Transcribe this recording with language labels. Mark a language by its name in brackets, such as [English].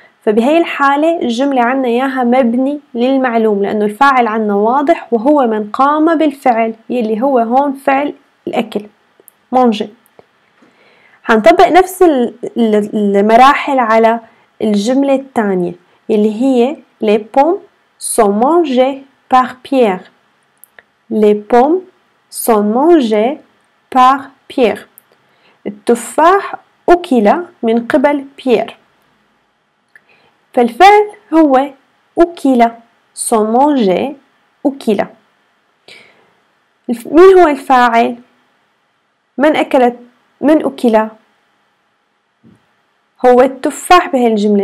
[Arabic] فبهي الحالة الجملة عنا إياها مبني للمعلوم، لأنه الفاعل عنا واضح وهو من قام بالفعل يلي هو هون فعل الأكل مانج. هنطبق نفس المراحل على الجملة الثانية يلي هي [French] les pommes sont mangées par Pierre. Les pommes sont mangées par Pierre. [Arabic] التفاح أكل من قبل بيير. فالفعل هو أكل. [French] Sont mangées أكل. [Arabic] مين هو الفاعل؟ من أكلت؟ من أكل؟ هو التفاح بهالجملة.